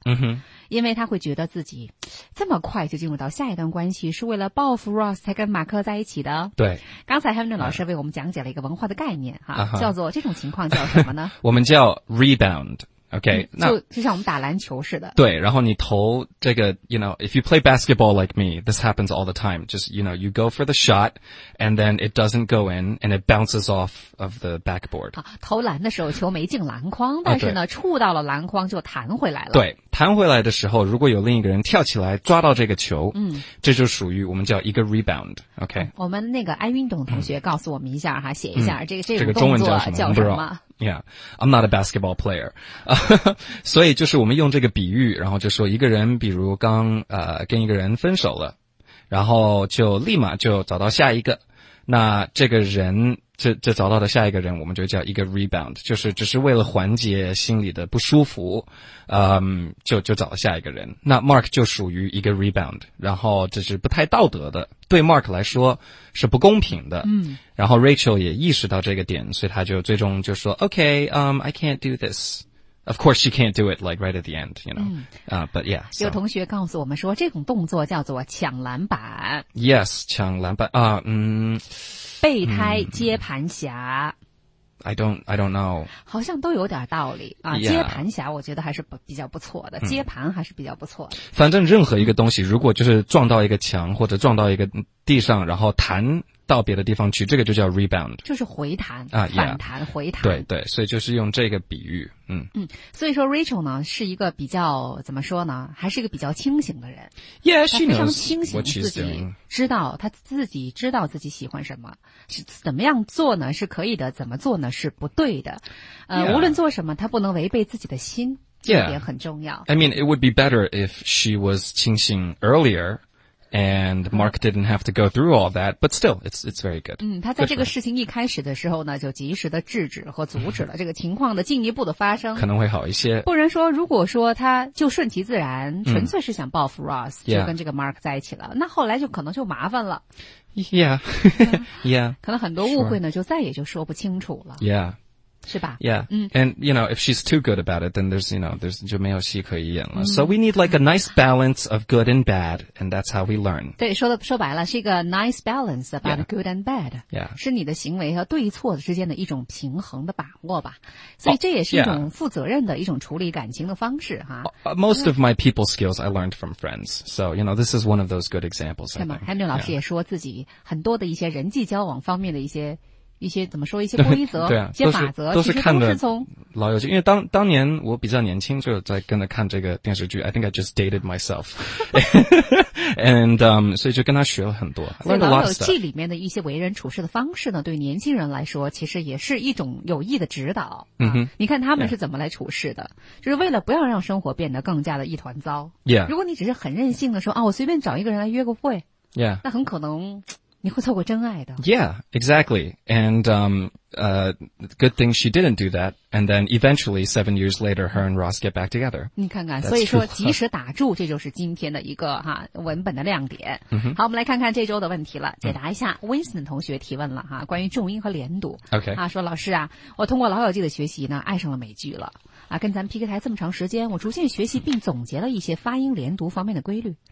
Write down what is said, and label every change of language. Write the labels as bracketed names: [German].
[Chinese] mm-hmm. 因为她会觉得自己这么快就进入到下一段关系是为了报复 Ross 才跟马克在一起的。对，刚才 Henry 老师为我们讲解了一个文化的概念、 uh-huh. 叫做这种情况叫什么呢？我们叫 rebound。OK、嗯、就像我们打篮球似的。对，然后你投这个 [English] you know, if you play basketball like me, this happens all the time. Just, you know, you go for the shot and then it doesn't go in and it bounces off of the backboard.、 [Chinese] 啊、投篮的时候球没进篮筐，但是呢、啊、触到了篮筐就弹回来了。对，弹回来的时候如果有另一个人跳起来抓到这个球、嗯、这就属于我们叫一个 rebound, OK?、嗯、我们那个爱运动同学告诉我们一下哈、嗯、写一下、嗯、这个中文叫什么叫什么。 [English] Yeah, I'm not a basketball player. [Chinese] 所以就是我们用这个比喻，然后就说一个人比如刚跟一个人分手了，然后就立马就找到下一个，那这个人这找到的下一个人我们就叫一个 rebound, 就是只是为了缓解心里的不舒服，就找了下一个人。那 Mark 就属于一个 rebound, 然后这是不太道德的，对 Mark 来说是不公平的。嗯，然后 Rachel 也意识到这个点，所以他就最终就说 [English] okay, I can't do this. Of course, she can't do it like right at the end, you know.、嗯、 but yeah. [Chinese] 有同学告诉我们说，这种动作叫做抢篮板。 Yes, 抢篮板啊，备胎接盘侠。 [English] I don't know. [Chinese] 好像都有点道理啊。 [English] Yeah. [Chinese] 接盘侠，我觉得还是比较不错的、嗯。接盘还是比较不错的。反正任何一个东西，如果就是撞到一个墙或者撞到一个地上，然后弹。到别的地方去，这个就叫 rebound, 就是回弹啊，反弹、回弹。对对，所以就是用这个比喻，嗯嗯。所以说 Rachel 呢是一个比较怎么说呢，还是一个比较清醒的人。 [English] Yeah, she knows. [Chinese] 非常清醒，自己知道他自己知道自己喜欢什么，是怎么样做呢是可以的，怎么做呢是不对的。 [English] Yeah. [Chinese] 无论做什么，他不能违背自己的心，这一点很重要。 [English] Yeah. I mean, it would be better if she was 清醒 earlier. And Mark didn't have to go through all that, but still, it's very good. [Chinese] 嗯，他在这个事情一开始的时候呢，就及时的制止和阻止了这个情况的进一步的发生，可能会好一些。不然说，如果说他就顺其自然，嗯、纯粹是想报复 Ross,、 [English] yeah. [Chinese] 就跟这个 Mark 在一起了，那后来就可能就麻烦了。 [English] Yeah, yeah. [Chinese] 可能很多误会呢， [English] sure. [Chinese] 就再也就说不清楚了。 [English] Yeah. [Chinese] 是吧 [English] Yeah、嗯、 And you know, if she's too good about it, then there's, you know, there's [Chinese] 就没有戏可以演了、 [English] 嗯、So we need like a nice balance of good and bad, and that's how we learn. [Chinese] 对，说白了是一个 [English] nice balance about、yeah. good and bad. Yeah. [Chinese] 是你的行为和对错之间的一种平衡的把握吧。所以这也是一种负责任的一种处理感情的方式哈。 [English] Most of my people skills I learned from friends. So, you know, this is one of those good examples. [Chinese] 对吗 Henry 老师也说自己很多的一些人际交往方面的一些怎么说一些规则对、啊、一些法则都是看的其实都是从老友记因为当年我比较年轻就在跟着看这个电视剧 [English] I think I just dated myself [Chinese] and、所以就跟他学了很多所以老友记里面的一些为人处事的方式呢对年轻人来说其实也是一种有益的指导、嗯哼啊、你看他们是怎么来处事的、 [English] yeah. [Chinese] 就是为了不要让生活变得更加的一团糟、 [English] yeah. [Chinese] 如果你只是很任性的说啊，我随便找一个人来约个会、 [English] yeah. [Chinese] 那很可能你会错过真爱的。 [English] Yeah, exactly. And, good thing she didn't do that. And then eventually, 7 years later, her and Ross get back together. [Chinese] 你看看，所以说及时打住，这就是今天的一个哈文本的亮点。 Mm-hmm. 好，我们来看看这周的问题了，解答一下 Winston 同学提问了哈，关于重音和连读。 [English] Okay. [Chinese] 啊，说老师啊，我通过老友记的学习呢，爱上了美剧了。啊，跟咱们 PK 台这么长时间，我逐渐学习并总结了一些发音连读方面的规律。